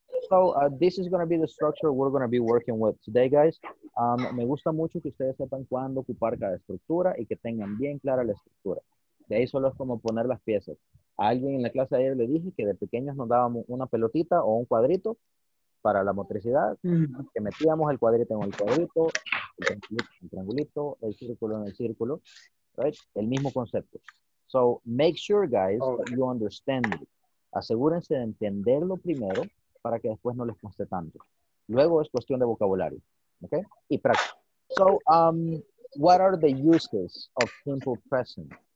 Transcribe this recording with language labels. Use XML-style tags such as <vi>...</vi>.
<en>So this is going to be the structure we're going to be working with today, guys.</en> <es>Me gusta mucho que ustedes sepan cuándo ocupar cada estructura y que tengan bien clara la estructura. De ahí solo es como poner las piezas. A alguien en la clase de ayer le dije que de pequeños nos dábamos una pelotita o un cuadrito para la motricidad, que metíamos el cuadrito en el cuadrito, el triangulito, el círculo en el círculo, right? El mismo concepto.</es> <en>So make sure, guys, that you understand it.</en> <es>Asegúrense de entenderlo primero, para que después no les cueste tanto. Luego es cuestión de vocabulario, ¿okay? Y práctica.</es> <en>So, what are the uses of simple present?</en>